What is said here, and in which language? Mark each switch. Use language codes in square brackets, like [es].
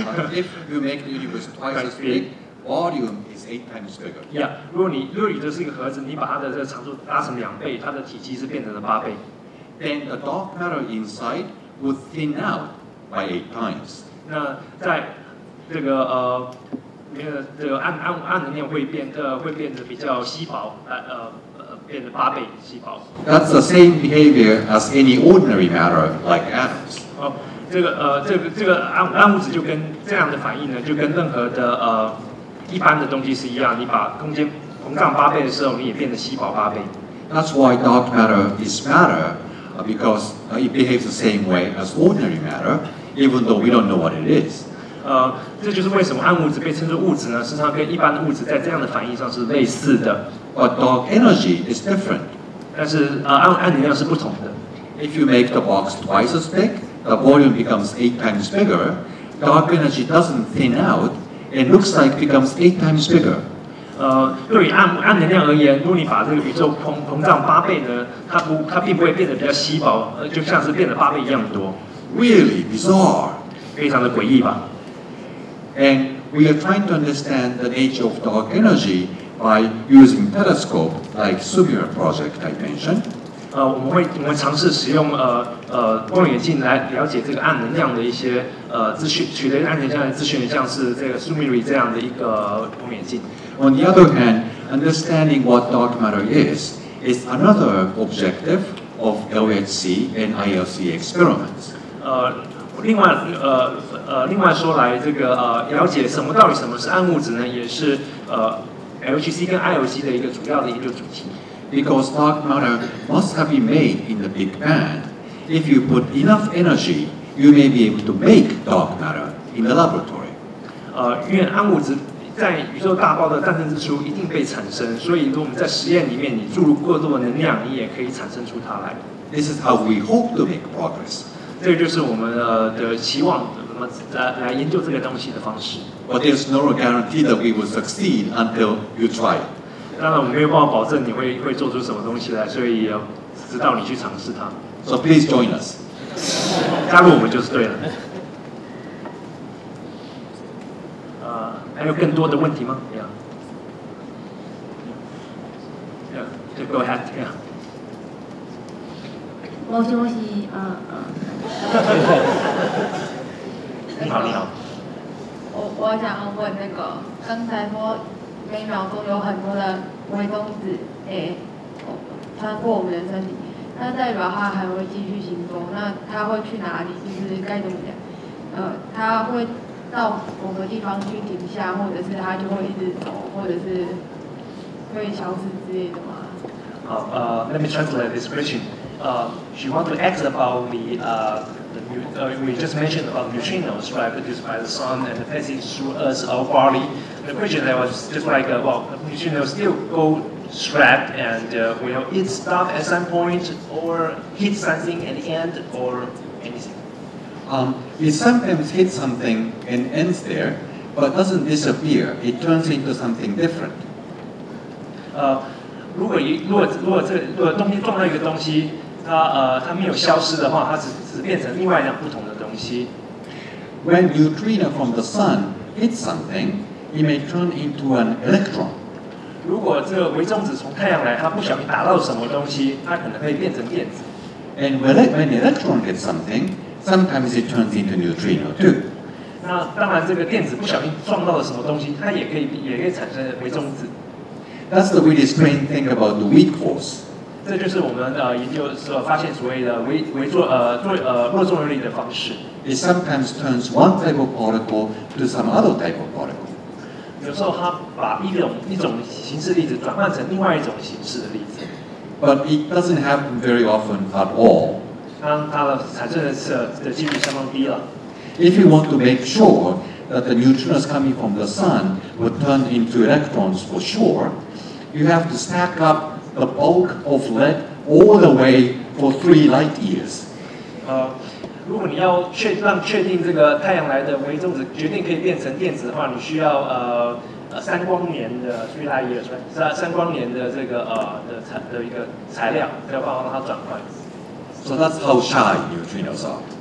[en] If you make the universe twice as big. Volume is 8 times bigger. [zh] Yeah, 如果宇宙是一个盒子，你把它的这个长度拉成两倍，它的体积是变成了八倍。 [en] Then the dark matter inside would thin out by 8 times. [zh] 那在这个暗能量会变得比较稀薄，变成八倍稀薄。 [en] That's the same behavior as any ordinary matter like atoms. [zh] 这个暗物质就跟这样的反应呢，就跟任何的一般的东西是一样，你把空间膨胀八倍的时候，你也变得稀薄八倍。 [en] That's why dark matter is matter, because it behaves the same way as ordinary matter, even though we don't know what it is. [zh] 这就是为什么暗物质被称作物质呢？实际上跟一般的物质在这样的反应上是类似的。 [en] But dark energy is different. [zh] 但是暗能量是不同的。 [en] If you make the box twice as big, the volume becomes 8 times bigger. Dark energy doesn't thin out. It looks like becomes 8 times bigger. [zh] 对于暗能量而言，如果你把这个宇宙膨胀八倍呢，它并不会变得比较稀薄，就像是变得八倍一样多。 [en] Really bizarre. [zh] 非常的诡异吧。 [en] And we are trying to understand the nature of dark energy by using telescope like Sumir Project I mentioned. [zh] 我们尝试使用望远镜来了解这个暗能量的一些资讯，取得暗能量的资讯，像是这个 Sumiri 这样的一个望远镜。 [en] On the other hand, understanding what dark matter is another objective of LHC and ILC experiments. [zh] 另外另外说来，这个了解什么到底什么是暗物质呢，也是LGC 跟 IOC 的一个主要的研究主题。 [en] Because dark matter must have been made in the Big Bang. If you put enough energy, you may be able to make dark matter in the laboratory. [zh] 因为暗物质在宇宙大爆炸诞生之初一定被产生，所以如果我们在实验里面你注入过多的能量，你也可以产生出它来。 [en] This is how we hope to make progress. [zh] 这就是我们的期望，那么来研究这个东西的方式。 [en] But there's no guarantee that we will succeed until you try it. [zh] 当然我们没有办法保证你 会做出什么东西来，所以要直到你去尝试它。 [en] So please join us. [zh] 加入我们就是对了。还有更多的问题吗？ [en] Yeah. Yeah. Go ahead. Yeah. [zh] 我是你好你好。我想问那个刚才说每秒钟有很多的微中子诶，穿过我们的身体，那代表它还会继续行动。那它会去哪里？就是该怎么讲？它会到某个地方去停下，或者是它就会一直走，或者是会消失之类的吗？ [en] 好，let me translate this question. She want to ask about we just mentioned about neutrinos, right, produced by the sun and passing through us, our body. The question that was just like, well, neutrinos still go trapped and will it stop at some point or hit something at the end or anything? It sometimes hits something and ends there, but doesn't disappear. It turns into something different. [zh] 如果东西撞到一个东西它没有消失的话，它只变成另外一样不同的东西。 [en] When neutrino from the sun hits something, it may turn into an electron. [zh] 如果这个微中子从太阳来，它不小心打到什么东西，它可能可以变成电子。 [en] And when electron hits something, sometimes it turns into neutrino too. [zh] 那当然，这个电子不小心撞到了什么东西，它也可以产生微中子。 [en] That's the really strange thing about the weak force. [zh] 这就是我们研究所发现所谓的弱作用力的方式。 [en] It sometimes turns one type of particle to some other type of particle. [zh] 有时候它把一种形式粒子转换成另外一种形式的粒子。 [en] But it doesn't happen very often at all. [zh] 当它的产生的几率相当低了。 [en] If you want to make sure that the neutrinos coming from the sun would turn into electrons for sure, you have to stack up. The bulk of lead all the way for 3 light years. [zh] 如果你要确定这个太阳来的微中子决定可以变成电子的话，你需要三光年的 [en] 3 light years， [zh] 三光年的这个的一个材料，要帮它转换。 [en] So that's how shy neutrinos are.